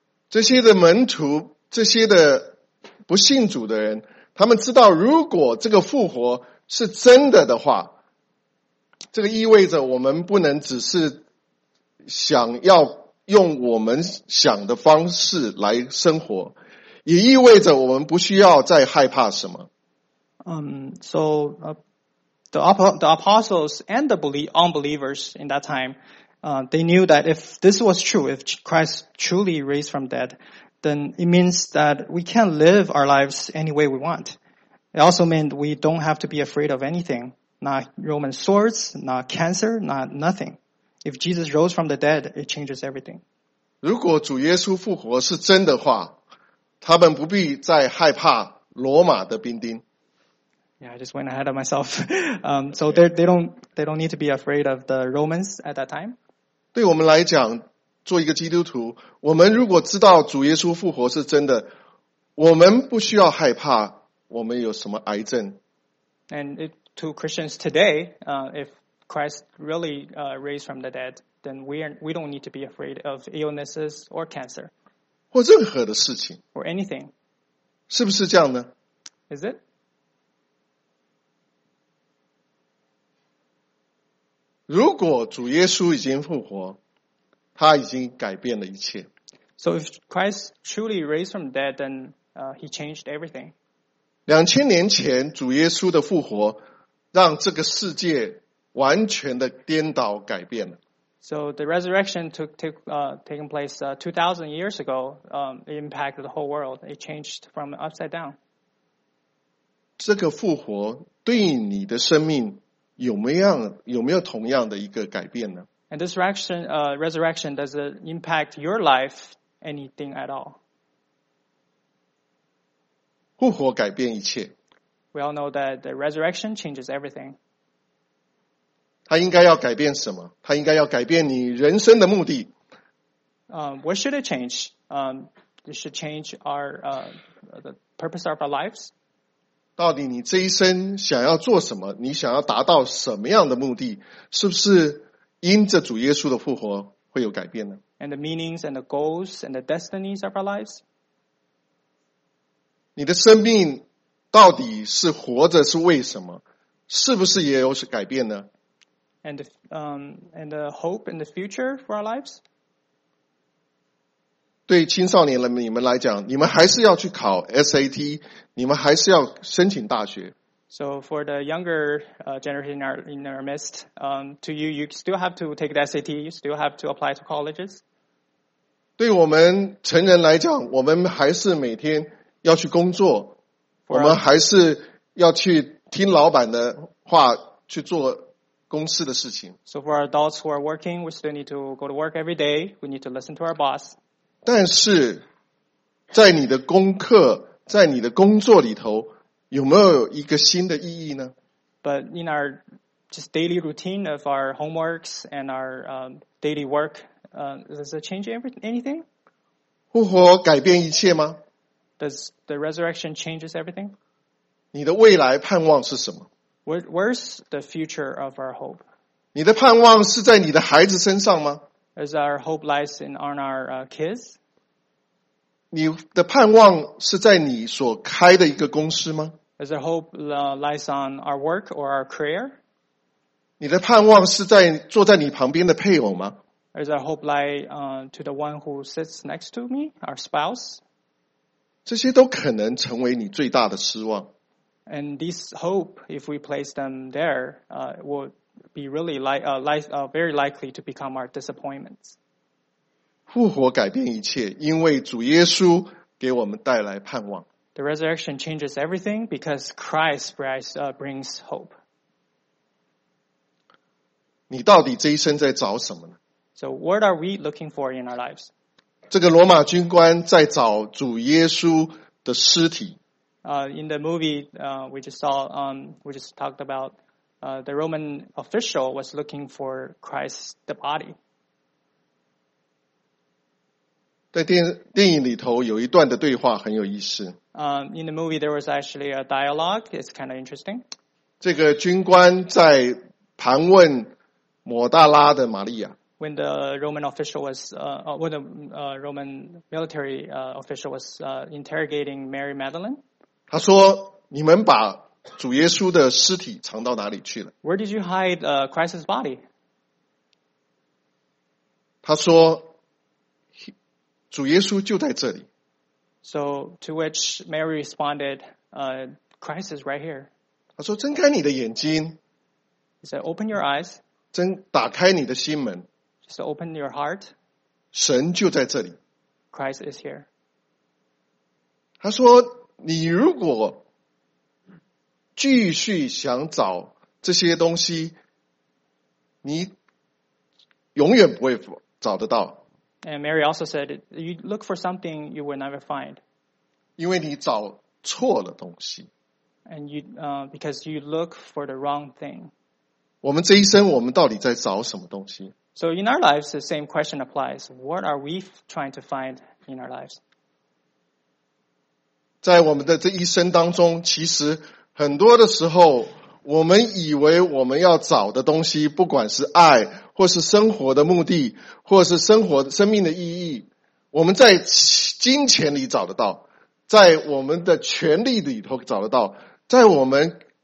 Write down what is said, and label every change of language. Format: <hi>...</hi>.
<zh>这些的门徒，这些的不信主的人，他们知道如果这个复活是真的的话，这个意味着我们不能只是想要用我们想的方式来生活，也意味着我们不需要再害怕什么。</zh> <en>The apostles and the unbelievers in that time, they knew that if this was true, if Christ truly raised from dead, then it means that we can't live our lives any way we want. It also meant we don't have to be afraid of anything, not Roman swords, not cancer, not nothing. If Jesus rose from the dead, it changes everything.</en> <zh>如果主耶稣复活是真的话，他们不必再害怕罗马的兵丁。</zh> <en>Yeah, I just went ahead of myself. So they don't need to be afraid of the Romans at that time.</en> <zh>对我们来讲，做一个基督徒，我们如果知道主耶稣复活是真的，我们不需要害怕我们有什么癌症。</zh> <en>And to Christians today, if Christ really raised from the dead, then we don't need to be afraid of illnesses or cancer.</en> <zh>或任何的事情。</zh> <en>Or anything.</en> <zh>是不是这样呢？</zh> <en>Is it?</en> <zh>如果主耶稣已经复活，他已经改变了一切。</zh> <en>So if Christ truly raised from dead, then he changed everything.</en> <zh>两千年前主耶稣的复活让这个世界完全的颠倒改变了。</zh> <en>So the resurrection taken place 2,000 years ago, it impacted the whole world. It changed from upside down.</en> <zh>这个复活对你的生命有没有同样的一个改变呢？</zh> <en>And this resurrection, does it impact your life anything at all?</en> <zh>复活改变一切。</zh> <en>We all know that the resurrection changes everything.</en> <zh>它应该要改变什么？它应该要改变你人生的目的。</zh> <en>What should it change? It should change our, the purpose of our lives.</en> <zh>到底你这一生想要做什么？你想要达到什么样的目的？是不是因着主耶稣的复活会有改变呢？</zh> <en>And the meanings and the goals and the destinies of our lives?</en> <zh>你的生命到底是活着是为什么？是不是也有改变呢？</zh> <en>And the hope and the future for our lives?</en> <zh>对青少年人，你们来讲，你们还是要去考 SAT， 你们还是要申请大学。</zh> <en>So for the younger generation in our midst, to you, you still have to take the SAT, you still have to apply to colleges.</en> <zh>对我们成人来讲，我们还是每天要去工作，我们还是要去听老板的话去做公司的事情。</zh> <en>So for our adults who are working, we still need to go to work every day. We need to listen to our boss.</en> <zh>但是在你的功课，在你的工作里头，有没有一个新的意义呢？</zh> <en>But in our just daily routine of our homeworks and our daily work, does it change anything?</en> <zh>复活改变一切吗？</zh> <en>Does the resurrection changes everything?</en> <zh>你的未来盼望是什么？</zh> <en>Where's the future of our hope?</en> <zh>你的盼望是在你的孩子身上吗？</zh> <en>Is our hope lies in on our kids?</en> <zh>你的盼望是在你所开的一个公司吗？</zh> <en>Is our hope lies on our work or our career?</en> <zh>你的盼望是在坐在你旁边的配偶吗？</zh> <en>Is our hope lie to the one who sits next to me, our spouse?</en> <zh>这些都可能成为你最大的失望。</zh> <en>And this hope, if we place them there, will. Be really very likely to become our disappointments.</en> <zh>复活改变一切，因为主耶稣给我们带来盼望。</zh> <en>The resurrection changes everything because Christ brings hope.</en> <zh>你到底这一生在找什么呢?</zh> <en>So what are we looking for in our lives?</en> <zh>这个罗马军官在找主耶稣的尸体。</zh> <en>In the movie, we just talked about, the Roman official was looking for Christ's the body.</en> <zh>在电影里头有一段的对话很有意思。</zh> <en>In the movie, there was actually a dialogue. It's kind of interesting.</en> <zh>这个军官在盘问抹大拉的玛利亚。</zh> <en>When the Roman official was, when the Roman military official was interrogating Mary Magdalene,</en> <zh>他说：“你们把主耶稣的尸体藏到哪里去了</zh> <en>？”Where did you hide Christ's body？</en> <zh>他说：“主耶稣就在这里。</zh> <en>”So to which Mary responded, "Christ is right here."</en> <zh>他说：“睁开你的眼睛。</zh> <en>”He said, "Open your eyes."</en> <zh>打开你的心门。</zh> <en>So open your heart.</en> <zh>神就在这里。</zh> <en>Christ is here.</en> <zh>他说，你如果继续想找这些东西，你永远不会找得到。</zh> <en>And Mary also said, you look for something you will never find.</en> <zh>因为你找错了东西。</zh> <en>And you, because you look for the wrong thing.</en> <zh>我们这一生我们到底在找什么东西？</zh> <en>So in our lives, the same question applies. What are we trying to find in our lives?</en> <zh>在我们的这一生当中，其实很多的时候，我们以为我们要找的东西，不管是爱，或是生活的目的，或是生活生命的意义，我们在金钱里找得到，在我们的权力里头找得到，在我们</zh>